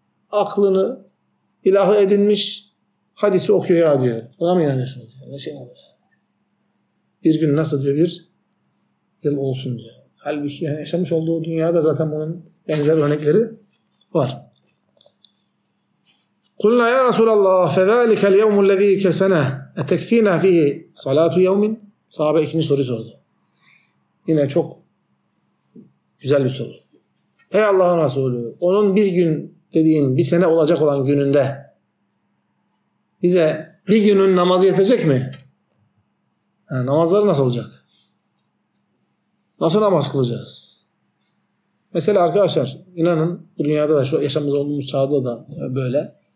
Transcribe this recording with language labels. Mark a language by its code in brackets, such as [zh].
[tr] Aklını ilahı edinmiş. Hadisi okuyor ya diyor. Ona mı inanıyorsunuz? Ne şey olur? Bir gün nasıl diyor bir yıl olsun diyor. Halbuki yani yaşamış olduğu dünyada zaten bunun benzer örnekleri var. [ar] قُلْنَا يَا رَسُولَ اللّٰهِ فَذَٰلِكَ الْيَوْمُ الَّذ۪ي كَسَنَهِ اَتَكْف۪ينَا ف۪يهِ صَلَاتُ يَوْمٍ [tr] Sahabe ikinci soruyu sordu. Yine çok güzel bir soru. Ey Allah'ın Resulü, onun bir gün dediğin bir sene olacak olan gününde bize bir günün namazı yetecek mi? Yani namazları nasıl olacak? Nasıl namaz kılacağız? Mesela arkadaşlar, inanın bu dünyada da, şu yaşamımız olduğumuz çağda da böyle.